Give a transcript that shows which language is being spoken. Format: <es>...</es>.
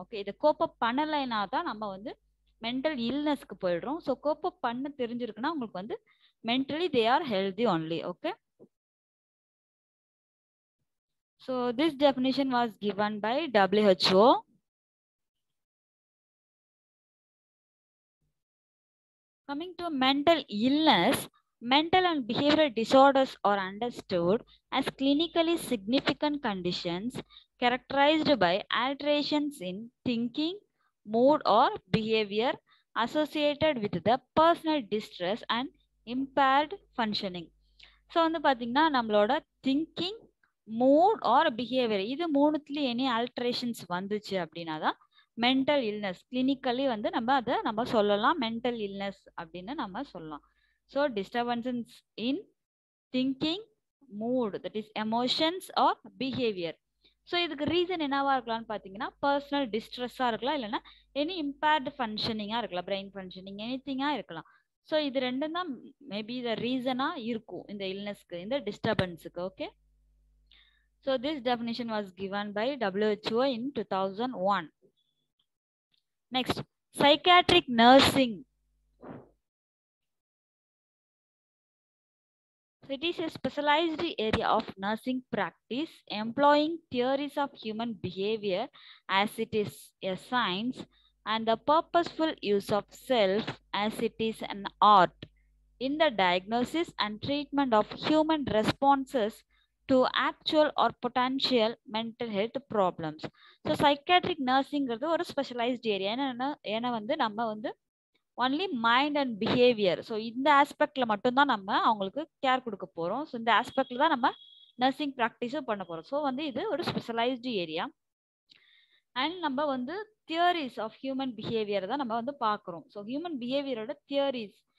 <ta>Okay, இதை கோப்பப் பண்ணலைன்னா தான் நம்ம வந்து மென்டல் இல்னஸ்க்கு போயிடுறோம். ஸோ கோப்பப் பண்ண தெரிஞ்சிருக்குன்னா அவங்களுக்கு வந்து</ta> <en>Mentally they are healthy only.</en> <ta>Okay.</ta> <en>So this definition was given by WHO. Coming to mental illness, mental and behavioral disorders are understood as clinically significant conditions characterized by alterations in thinking, mood or behavior associated with the personal distress and impaired functioning.</en> <ta>So வந்து பாத்தீங்கன்னா நம்மளோட</ta> <en>thinking, mood or behavior</en> <ta>இது மூணுத்துல any alterations வந்துச்சு அப்படின்னா தான் mental illness clinically வந்து நம்ம அதை நம்ம சொல்லலாம் மென்டல் இல்னஸ் அப்படின்னு நம்ம சொல்லலாம்.</ta> <en>So disturbances in thinking mood that is emotions or behaviour.</en> <ta>So இதுக்கு ரீசன் என்னவா இருக்கலாம்னு பார்த்தீங்கன்னா பர்சனல் டிஸ்ட்ரெஸ்ஸாக இருக்கலாம், இல்லைன்னா எனி இம்பேர்டு ஃபங்க்ஷனிங்காக இருக்கலாம், பிரெயின் ஃபங்க்ஷனிங் எனித்திங்காக இருக்கலாம். ஸோ இது ரெண்டும் தான் மேபி த ரீசனாக இருக்கும் இந்த இல்னஸ்க்கு இந்த டிஸ்டர்பன்ஸுக்கு. Okay.</ta> <en>So this definition was given by WHO in 2001. Next, psychiatric nursing. So it is a specialized area of nursing practice employing theories of human behavior as it is a science and the purposeful use of self as it is an art in the diagnosis and treatment of human responses to actual or potential mental health problems. So psychiatric nursing is a specialized area.</en> <ta>ஏன்னா வந்து நம்ம வந்து</ta> <en>only mind and behavior.</en> <ta>So இந்த aspectல மட்டும்தான் நம்ம அவங்களுக்கு care கொடுக்க போகிறோம். ஸோ இந்த aspectல தான் நம்ம நர்சிங் ப்ராக்டிஸும் பண்ண போகிறோம். ஸோ வந்து இது ஒரு ஸ்பெஷலைஸ்டு ஏரியா. அண்ட் நம்ம வந்து</ta> <en>theories of human பிஹேவியரை</en> <ta>தான் நம்ம வந்து பார்க்குறோம். So human பிஹேவியரோட theories</ta>